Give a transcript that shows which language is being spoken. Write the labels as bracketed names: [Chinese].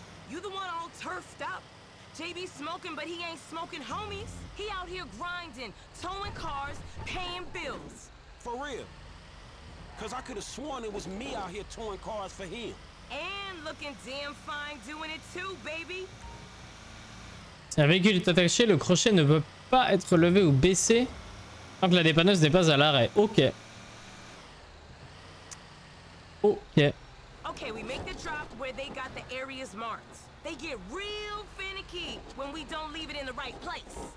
[English] You the one all turfed up. JB smoking, but he ain't smoking homies. He out here grinding, towing cars, paying bills. For real. Cause I could have sworn it was me out here towing cars for him. And looking damn fine doing it too, baby. [French] Un véhicule est attaché, le crochet ne peut pas être levé ou baissé tant que la dépanneuse n'est pas à l'arrêt. Ok. Ok. [English] Ok, we make the drop where they got the areas marked. They get real finicky when we don't leave it in the right place.